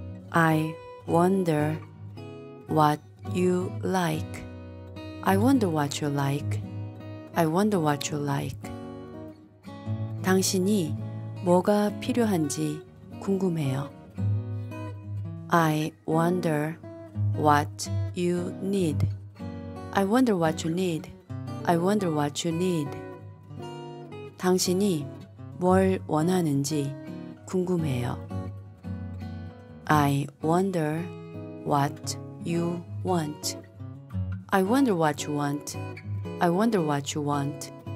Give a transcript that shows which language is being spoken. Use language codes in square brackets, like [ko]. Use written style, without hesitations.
[en] I wonder what you like. I wonder what you like. I wonder what you like. [ko] 당신이 뭐가 필요한지 궁금해요. [en] I wonder what you need. I wonder what you need. I wonder what you need. [ko] 당신이 뭘 원하는지 궁금해요. [en] I wonder what you want. I wonder what you want. I wonder what you want.